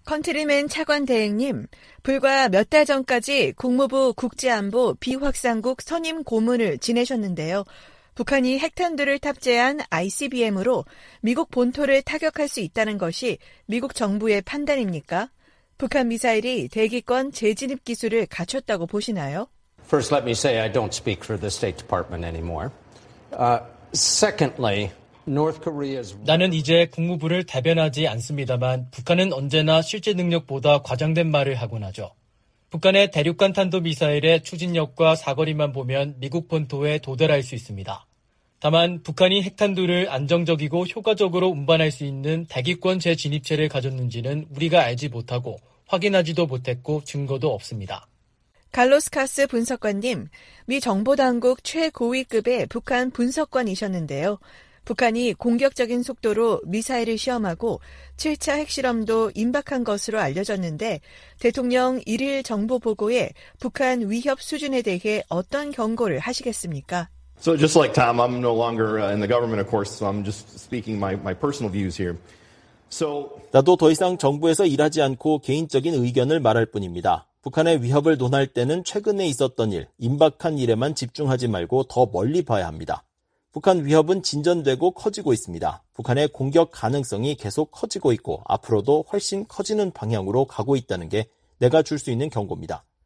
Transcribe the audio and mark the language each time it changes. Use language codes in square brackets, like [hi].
[ko] 컨트리맨 차관대행님, 불과 몇 달 전까지 국무부 국제안보 비확산국 선임 고문을 지내셨는데요. 북한이 핵탄두를 탑재한 ICBM으로 미국 본토를 타격할 수 있다는 것이 미국 정부의 판단입니까? 북한 미사일이 대기권 재진입 기술을 갖췄다고 보시나요? [en] First, let me say I don't speak for the State Department anymore. Secondly, North Korea's [ko] 나는 이제 국무부를 대변하지 않습니다만 북한은 언제나 실제 능력보다 과장된 말을 하곤 하죠. 북한의 대륙간 탄도 미사일의 추진력과 사거리만 보면 미국 본토에 도달할 수 있습니다. 다만 북한이 핵탄두를 안정적이고 효과적으로 운반할 수 있는 대기권 재진입체를 가졌는지는 우리가 알지 못하고 확인하지도 못했고 증거도 없습니다. 갈로스카스 분석관님, 미 정보당국 최고위급의 북한 분석관이셨는데요. 북한이 공격적인 속도로 미사일을 시험하고 7차 핵실험도 임박한 것으로 알려졌는데 대통령 1일 정보 보고에 북한 위협 수준에 대해 어떤 경고를 하시겠습니까? [en] So just like Tom, I'm no longer in the government, of course, so I'm just speaking my personal views here. [ko] 나도 더 이상 정부에서 일하지 않고 개인적인 의견을 말할 뿐입니다. 북한의 위협을 논할 때는 최근에 있었던 일, 임박한 일에만 집중하지 말고 더 멀리 봐야 합니다. 북한 위협은 진전되고 커지고 있습니다. 북한의 공격 가능성이 계속 커지고 있고 앞으로도 훨씬 커지는 방향으로 가고 있다는 게 내가 줄 수 있는 경고입니다.